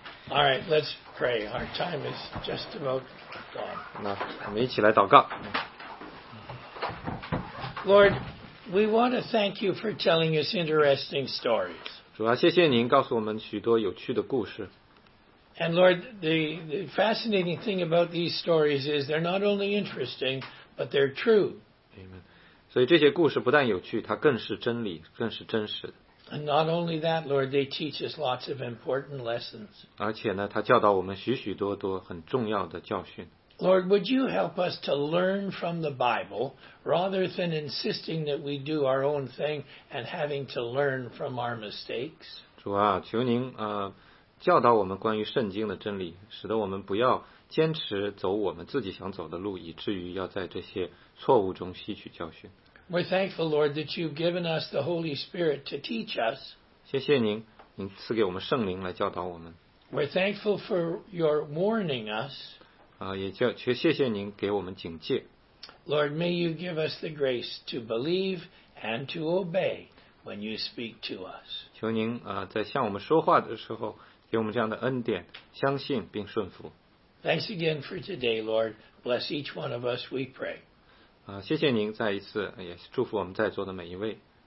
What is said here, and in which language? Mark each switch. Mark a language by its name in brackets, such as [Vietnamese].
[English] All right, let's pray. Our time is just about gone. [Chinese] 那我们一起来祷告。 [English] Lord, we want to thank you for telling us interesting stories. [Chinese] 主啊，谢谢您告诉我们许多有趣的故事。 [English] And Lord, the fascinating thing about these stories is they're not only interesting, but they're true. Amen. [Chinese] 所以这些故事不但有趣，它更是真理，更是真实的。 [English] And not only that, Lord, they teach us lots of important lessons. [Chinese] 而且呢，它教导我们许许多多很重要的教训。 [English] Lord, would you help us to learn from the Bible rather than insisting that we do our own thing and having to learn from our mistakes? [Chinese] 主啊，求您教导我们关于圣经的真理，使得我们不要坚持走我们自己想走的路，以至于要在这些错误中吸取教训。 [English] We're thankful, Lord, that you've given us the Holy Spirit to teach us. [Chinese] 谢谢您，您赐给我们圣灵来教导我们。 [English] We're thankful for your warning us. [Chinese] 也就谢谢您给我们警戒。 [English] Lord, may you give us the grace to believe and to obey when you speak to us. [Chinese] 求您在向我们说话的时候，给我们这样的恩典，相信并顺服。 [English] Thanks again for today, Lord. Bless each one of us, we pray. [Chinese] 谢谢您再一次也祝福我们在座的每一位。